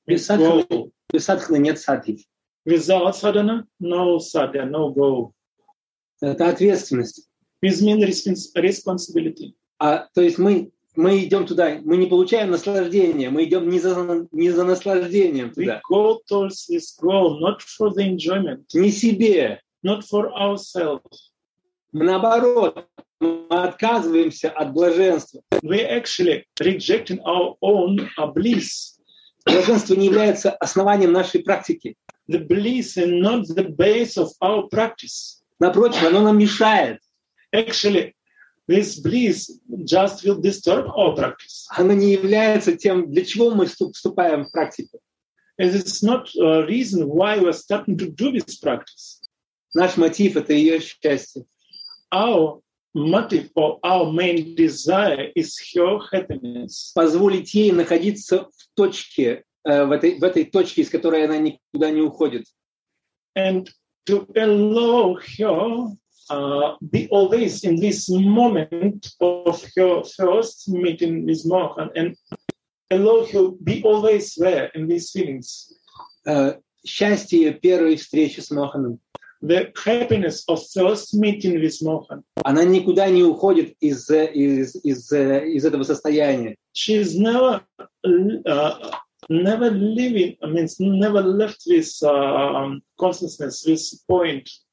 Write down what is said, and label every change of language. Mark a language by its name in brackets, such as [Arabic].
[Russian] Без садхана нет садхи. [English] Without sadhana, no sadhya, no goal. [Russian] Это ответственность. [English] This means responsibility. [Russian] То есть мы идем туда, мы не получаем наслаждения, мы идем не за наслаждением туда. [English] We go towards this goal, not for the enjoyment. [Russian] Не себе. [English] Not for ourselves. [Russian] Наоборот, мы отказываемся от блаженства. [English] We actually rejecting our own bliss. [Russian] Блаженство не является основанием нашей практики. [English] The bliss is not the base of our practice. [Russian] Напротив, оно нам мешает. [English] Actually, this bliss just will disturb our practice. [Russian] Оно не является тем, для чего мы вступаем в практику. [English] It is not a reason why we are starting to do this practice. [Russian] Наш мотив — это ее счастье. [English] Our motive or our main desire is her happiness. [Russian] Позволить ей находиться в точке, в этой точке, из которой она никуда не уходит. [English] And to allow her be always in this moment of her first meeting with Mohan, and allow her be always there in these feelings. [Russian] Счастье первой встречи с Моханом. [English] The happiness of first meeting with Mohan. [Russian] Она никуда не уходит из этого состояния. [English] She is never never leaving, means never left this consciousness, this point.